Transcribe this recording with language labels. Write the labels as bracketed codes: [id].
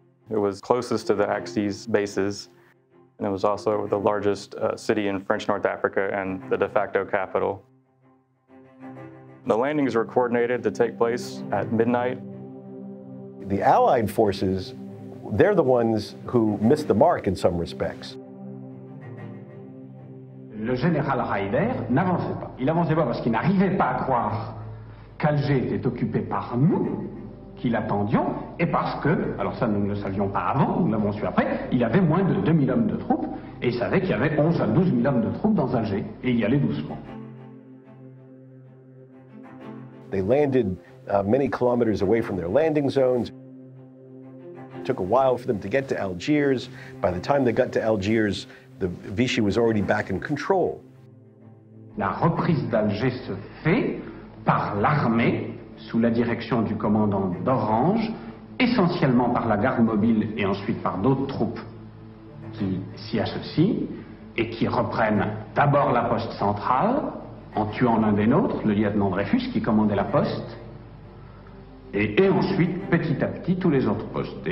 [en] It was closest to the Axis bases. And it was also the largest city in French North Africa and the de facto capital. The landings were coordinated to take place at midnight. The Allied forces, they're the ones who missed the mark in some respects. [fr] Le général Raider n'avançait pas. Il n'avançait pas parce qu'il n'arrivait pas à croire qu'Alger était occupé par nous, qu'il attendions, et parce que, alors ça nous ne le savions pas avant, nous l'avons su après, il avait moins de 2000 hommes de troupes, et il savait qu'il y avait 11 à 12 000 hommes de troupes dans Alger, et il y allait doucement. [en] They landed many kilometers away from their landing zones. It took a while for them to get to Algiers. By the time they got to Algiers, the Vichy was already back in control. [fr] La reprise d'Alger se fait par l'armée sous la direction du commandant d'Orange, essentiellement par la garde mobile et ensuite par d'autres troupes qui s'y associent et qui reprennent d'abord la poste centrale en tuant l'un des nôtres, le lieutenant Dreyfus qui commandait la poste, et ensuite petit à petit tous les autres postes.